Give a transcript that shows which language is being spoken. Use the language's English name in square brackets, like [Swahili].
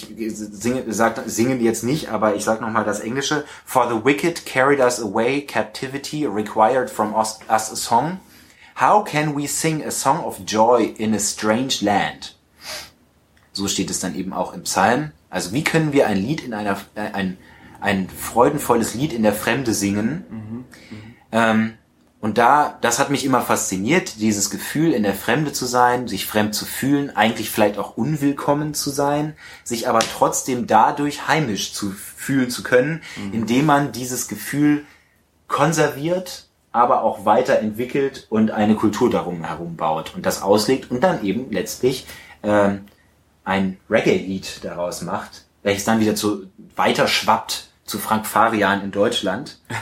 [German] Singen jetzt nicht, aber ich sag nochmal das Englische. [English] For the wicked carried us away, captivity required from us a song. How can we sing a song of joy in a strange land? [German] So steht es dann eben auch im Psalm. Also wie können wir ein freudenvolles Lied in der Fremde singen? Das hat mich immer fasziniert, dieses Gefühl, in der Fremde zu sein, sich fremd zu fühlen, eigentlich vielleicht auch unwillkommen zu sein, sich aber trotzdem dadurch heimisch zu fühlen zu können, indem man dieses Gefühl konserviert, aber auch weiterentwickelt und eine Kultur darum herum baut und das auslegt und dann eben letztlich ein Reggae-Lied daraus macht, welches dann wieder weiter schwappt zu Frank Farian in Deutschland.